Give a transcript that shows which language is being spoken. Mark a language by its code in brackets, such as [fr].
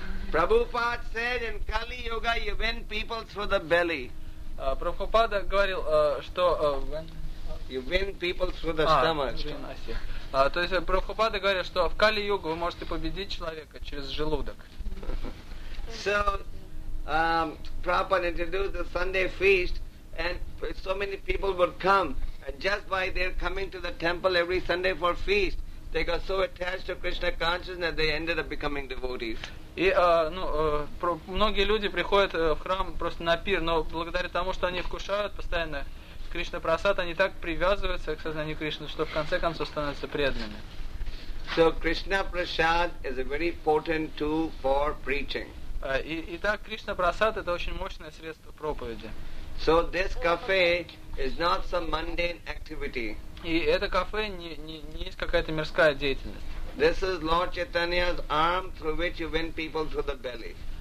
[en] Prabhupada said in Kali Yuga you win people through the belly. [ru] Прабхупада говорил, что [en] you win people through the stomach. [ru] То есть Прабхупада говорил, что в Кали Югу вы можете победить человека через желудок. [en] So Prabhupada introduced the Sunday feast and so many people would come. And just by their coming to the temple every Sunday for feast, they got so attached to Krishna consciousness that they ended up becoming devotees. [ru] И многие люди приходят в храм просто на пир, но благодаря тому, что они вкушают постоянно Кришна прасад, они так привязываются к сознанию Кришны, что в конце концов становятся преданными. [en] So Krishna prasad is a very potent tool for preaching. [ru] Итак, Кришна прасад это очень мощное средство проповеди. [en] So this cafe is not some mundane activity. [ru] И это кафе не есть какая-то мирская деятельность. [en] This is Lord Chaitanya's arm through which you win people through the belly.